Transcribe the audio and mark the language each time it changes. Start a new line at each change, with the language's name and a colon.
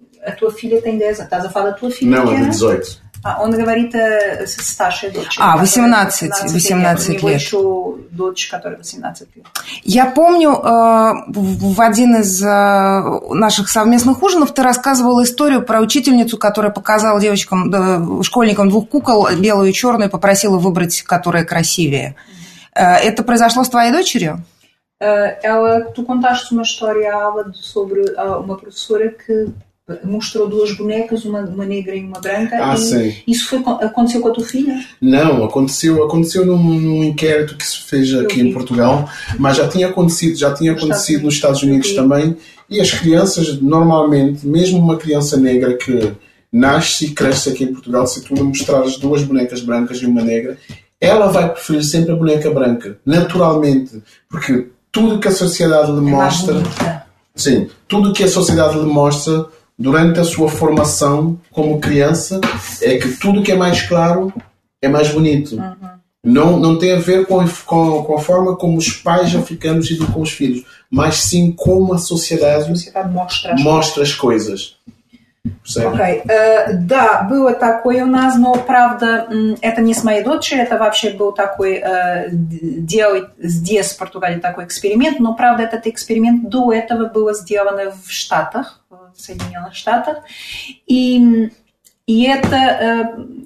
Portuguese: A tua filha tem 10, estás a falar da tua filha? Não, de 18.
Russian: Ah, он говорит о старшей дочери. А, 18 лет. У него еще дочь, которая 18 лет. Я помню, в один из наших совместных ужинов ты рассказывала историю про учительницу, которая показала девочкам, школьникам двух кукол, белую и черную, и попросила выбрать, которая красивее. Это произошло с твоей дочерью?
Portuguese: Ela, tu contaste uma história, Ava, sobre uma professora que... mostrou duas bonecas, uma negra e uma branca. Ah, e sim. Isso aconteceu com a tua filha? Não, aconteceu num inquérito que se fez aqui em Portugal, mas já tinha acontecido nos Estados Unidos também. E as crianças, normalmente, mesmo uma criança negra que nasce e cresce aqui em Portugal, se tu mostrares duas bonecas brancas e uma negra, ela vai preferir sempre a boneca branca, naturalmente, porque tudo que a sociedade lhe mostra... Sim, tudo que a sociedade lhe mostra durante a sua formação como criança é que tudo que é mais claro é mais bonito. Uhum. Não, não tem a ver com a forma como os pais africanos educam os filhos, mas sim como a sociedade mostra as coisas.
Russian: Ok, да, было такое у нас, но правда, это не с моей дочерью, это вообще был такой, делать здесь, в Португалии, такой эксперимент, но правда, этот эксперимент до этого был сделан в Штатах, в Соединенных Штатах, и это